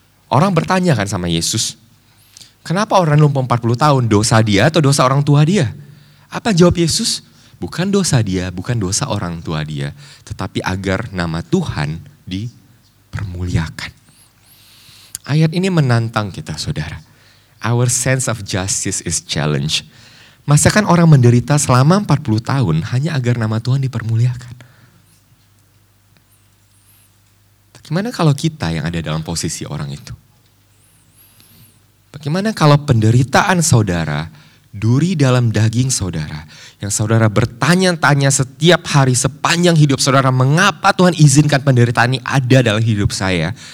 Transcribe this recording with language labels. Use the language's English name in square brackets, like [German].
[Indonesian] Orang bertanya kan sama Yesus, kenapa orang lumpuh 40 tahun, dosa dia atau dosa orang tua dia? Apa jawab Yesus? Bukan dosa dia, bukan dosa orang tua dia, tetapi agar nama Tuhan dipermuliakan. Ayat ini menantang kita, saudara. [English] Our sense of justice is challenged. [Indonesian] Masakan orang menderita selama 40 tahun hanya agar nama Tuhan dipermuliakan? Bagaimana kalau kita yang ada dalam posisi orang itu? Bagaimana kalau penderitaan saudara, duri dalam daging saudara, yang saudara bertanya-tanya setiap hari sepanjang hidup saudara, mengapa Tuhan izinkan penderitaan ini ada dalam hidup saya?